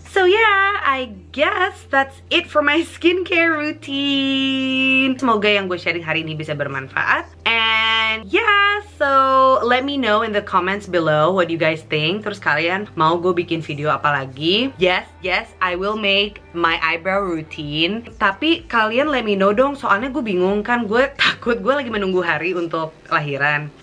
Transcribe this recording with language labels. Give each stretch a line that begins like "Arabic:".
English: So yeah, I guess that's it for my skincare routine.
Indonesian: Semoga yang gue sharing hari ini bisa bermanfaat.
English: And yeah, so let me know in the comments below what you guys think.
Indonesian: Terus kalian mau gue bikin video apa lagi?
English: Yes, I will make my eyebrow routine.
Indonesian: Tapi kalian
English: let me know
Indonesian: dong, soalnya gue bingung kan, gue takut gue lagi menunggu hari untuk lahiran.